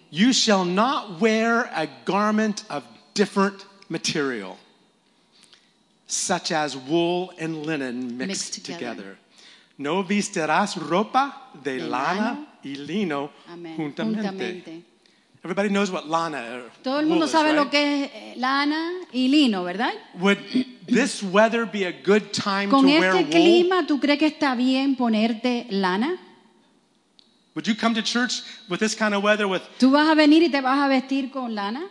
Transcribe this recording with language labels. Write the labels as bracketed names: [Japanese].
[English] You shall not wear a garment of different material, such as wool and linen mixed together. [Spanish] No vestirás ropa de lana y lino juntamente. [English] Everybody knows what lana or wool is, right? [Spanish] Todo el mundo sabe lo que es lana y lino, ¿verdad? [English] Would this weather be a good time to wear wool? [Spanish] ¿Con este clima tú crees que está bien ponerte lana? [English] Would you come to church with this kind of weather with? [Spanish] ¿Tú vas a venir y te vas a vestir con lana?